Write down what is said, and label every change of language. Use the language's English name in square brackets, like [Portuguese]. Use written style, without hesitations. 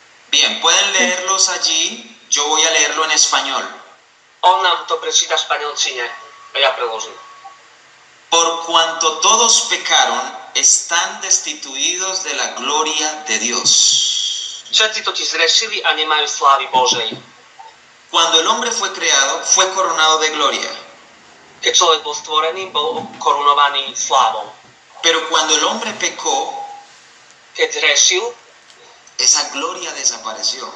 [Spanish] Bien, pueden leerlos allí. Yo voy a leerlo en español. [Slovak] On nám to prečíta v španielčine. Ja preložím. [Spanish] Por cuanto todos pecaron, están destituidos de la gloria de Dios. [Slovak] Všetci totiž zrešili a nemajú slávy Božej. [Spanish] Cuando el hombre fue creado, fue coronado de gloria. [Slovak] Keď človek bol stvorený, bol korunovaný slávou. [Spanish] Pero cuando el hombre pecó, [Slovak] keď zrešil, [Spanish] esa gloria desapareció.